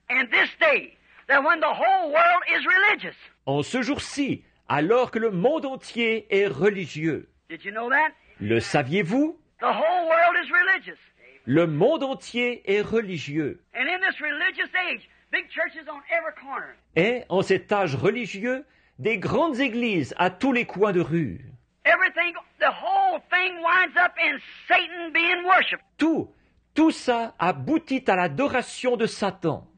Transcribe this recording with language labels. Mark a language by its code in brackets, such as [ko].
[en] And this day, that when the whole world is religious. [fr] En ce jour-ci, alors que le monde entier est religieux. [en] Did you know that? [fr] Le saviez-vous? [en] The whole world is religious. [fr] Le monde entier est religieux. [en] And in this religious age, big churches on every corner. [fr] Et en cet âge religieux, des grandes églises à tous les coins de rue. [en] Everything, the whole thing winds up in Satan being worshipped. [fr] Tout ça aboutit à l'adoration de Satan.